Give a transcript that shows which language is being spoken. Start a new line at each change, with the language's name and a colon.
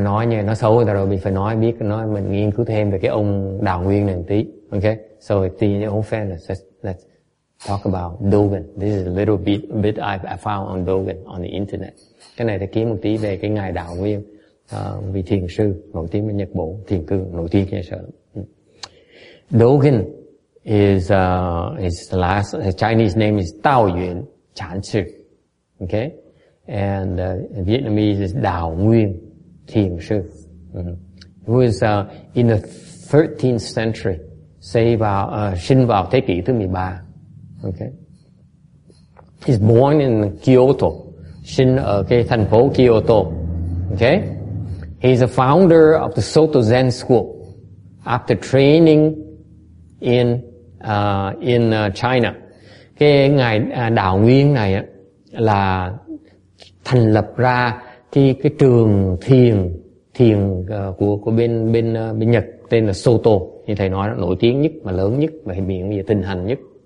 Vietnamese: Nói như nó xấu rồi, mình phải nói biết nói mình nghiên cứu thêm về cái ông Đào Nguyên này một tí.
English: Okay, so the old friend, let's talk about Dogen. This is a little bit I found on Dogen on the internet.
Vietnamese: Cái này thì kiếm một tí về cái ngài Đào Nguyên, vị thiền sư nổi tiếng ở Nhật Bản, thiền cư nổi tiếng nhà sở.
English: Dogen is last his Chinese name is Đào Nguyên Chán Sư. Okay, and Vietnamese is Đào Nguyên.
Vietnamese: Thiền sư, mm-hmm.
English: who is in the 13th century,
Vietnamese: sinh vào thế kỷ thứ 13.
English: Okay, he's born in Kyoto,
Vietnamese: sinh ở cái thành phố Kyoto,
English: Okay? He's a founder of the Soto Zen School. After training in China,
Vietnamese: cái ngài đạo nguyên này là thành lập ra cái trường thiền của bên Nhật tên là Soto, như thầy nói nổi tiếng nhất mà lớn nhất và hiện bây giờ thịnh hành nhất.